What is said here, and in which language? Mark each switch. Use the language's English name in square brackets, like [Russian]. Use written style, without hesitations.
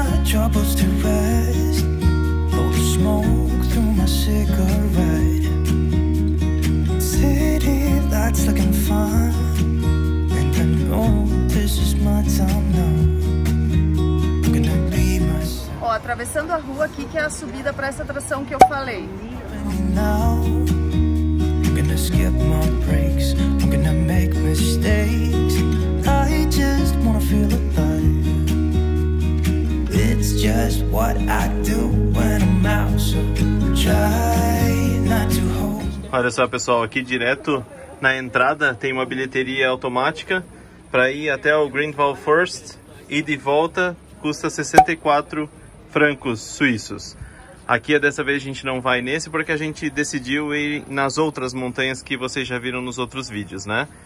[English] Troubles to rest, blow the smoke through my cigarette. City lights looking fine, and I know this is my time now. I'm gonna be myself. [Portuguese] Ó, atravessando a rua aqui que é a subida pra essa atração que eu falei. [English] I'm gonna skip my breaks, I'm gonna make mistakes. I just wanna feel alive. It's just what I do when I'm out, so try not to hold. [Portuguese] Olha só, pessoal, aqui direto na entrada tem uma bilheteria automática para ir até o Grindelwald First e de volta custa 64 francos suíços. Aqui dessa vez a gente não vai nesse porque a gente decidiu ir nas outras montanhas que vocês já viram nos outros vídeos, né?